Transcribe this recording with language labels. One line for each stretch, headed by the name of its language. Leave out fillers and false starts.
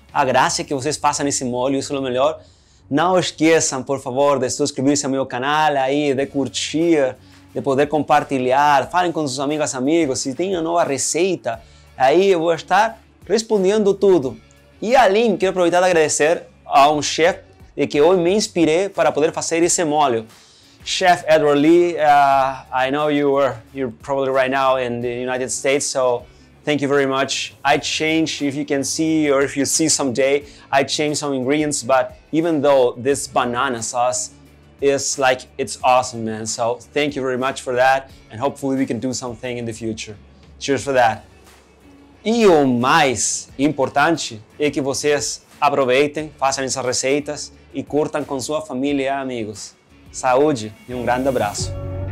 Portuguese: A graça é que vocês façam esse molho, isso é o melhor. Não esqueçam, por favor, de se inscrever-se no meu canal aí, de curtir, de poder compartilhar. Falem com seus amigos e amigos. Se tem uma nova receita, aí eu vou estar respondendo tudo. E além, quero aproveitar e agradecer a um chef de que eu me inspirei para poder fazer esse molho.
English: Chef Edward Lee, I know you're probably right now in the United States, so thank you very much. I change, if you can see or if you see someday, I change some ingredients, but even though this banana sauce is like, it's awesome, man. So thank you very much for that, and hopefully we can do something in the future. Cheers for that.
Portuguese: E o mais importante é que vocês aproveitem, façam essas receitas e curtam com sua família e amigos. Saúde e um grande abraço!